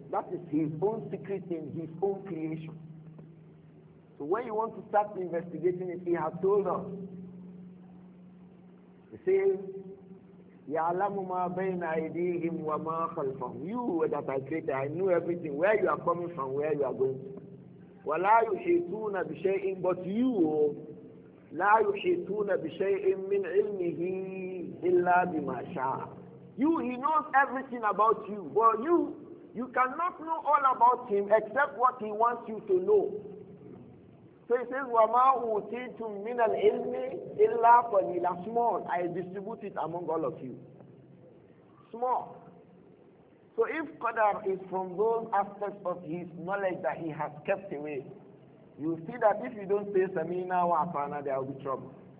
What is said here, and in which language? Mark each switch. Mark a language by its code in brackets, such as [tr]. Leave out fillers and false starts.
[en] That is his own secret in his own creation. So when you want to start investigating it, he has told us. He says, [ar] يَعْلَمُ مَا بَيْنَ أَيْدِيهِمْ وَمَا خَلْفَهُمْ [en] You that I created, I knew everything, where you are coming from, where you are going to. [ar] وَلَا يُحِيطُونَ بِشَيْءٍ [en] But you, [ar] لَا يُحِيطُونَ بِشَيْءٍ مِّنْ عِلْمِهِ إِلَّا بِمَا شَاءَ [en] You, he knows everything about you. Well, you cannot know all about him except what he wants you to know. So he says, [ar] وَمَا أُوتِيتُم مِّنَ الْعِلْمِ إِلَّا قَلِيلًا [en] Small, I distribute it among all of you. Small. So if Qadr is from those aspects of his knowledge that he has kept away, you see that if you don't say [ar] سَمِينَا وَعَفَانَا [en] there will be trouble.